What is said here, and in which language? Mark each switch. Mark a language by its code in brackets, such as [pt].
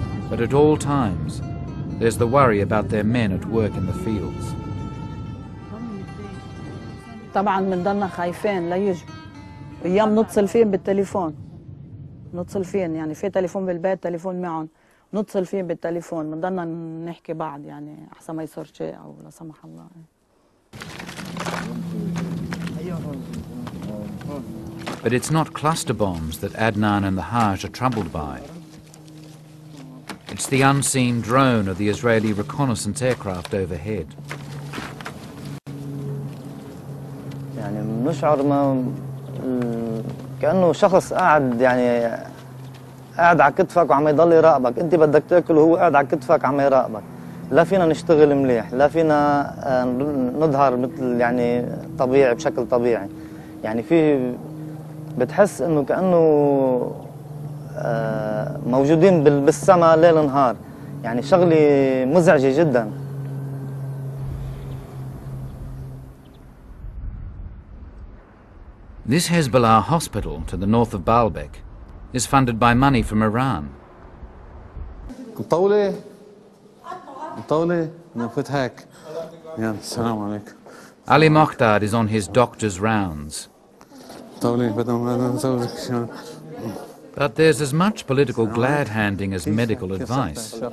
[en] But at all times, there's the worry about their men at work in the fields. [ar] طبعاً بنضلنا خايفين لا يجوا. أيام نتصل فيهم بالتليفون. نتصل فيهم يعني في تليفون بالبيت تليفون معهم. نتصل فيهم بالتليفون. بنضلنا نحكي بعض يعني أحسن ما يصير شيء أو لا سمح الله. [en] But it's not cluster bombs that Adnan and the Hajj are troubled by. It's the unseen drone of the Israeli reconnaissance aircraft overhead. [ar] يعني بنشعر ما كأنه شخص قاعد يعني قاعد على كتفك وعم يضل يراقبك، أنت بدك تاكل وهو قاعد على كتفك عم يراقبك. لا فينا نشتغل مليح، لا فينا نظهر مثل يعني طبيعي بشكل طبيعي. يعني في بتحس انه كانه موجودين بالسماء ليل نهار، يعني شغله مزعجه جدا. [en] This Hezbollah hospital to the north of Baalbek is funded by money from Iran. [ar] طولي طولي نفوت هيك يا السلام عليكم. [en] Ali Mokhtar is on his doctor's rounds. [ar] طولي بدنا نسولك شلون. [en] But there's as much political glad-handing as medical advice.